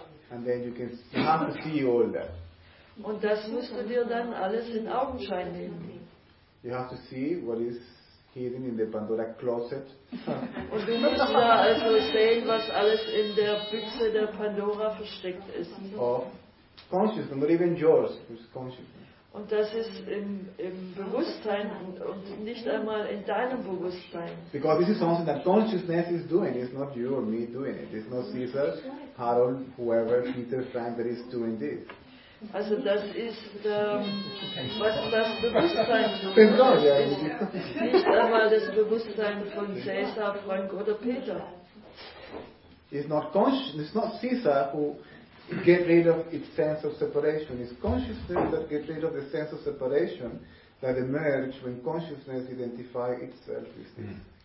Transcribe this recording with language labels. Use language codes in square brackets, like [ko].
[en] And then you can have to see all that. [de] Und das musst du dir dann alles in Augenschein nehmen. [en] You have to see what is hidden in the Pandora closet. [de] Und du musst ja also sehen, was alles in der Büchse der Pandora versteckt ist. [en] Of consciousness, not even yours, it's consciousness. [de] Und das ist im Bewusstsein und nicht einmal in deinem Bewusstsein. [en] Because this is something that consciousness is doing. It's not you or me doing it. It's not Caesar, Harold, whoever, Peter, Frank that is doing this. [de] Also das ist, was das Bewusstsein tut. Nicht einmal das Bewusstsein von Caesar, Frank oder Peter. [en] It's not Caesar who get rid of its sense of separation. It's consciousness that get rid of the sense of separation that emerge when consciousness identifies itself with this.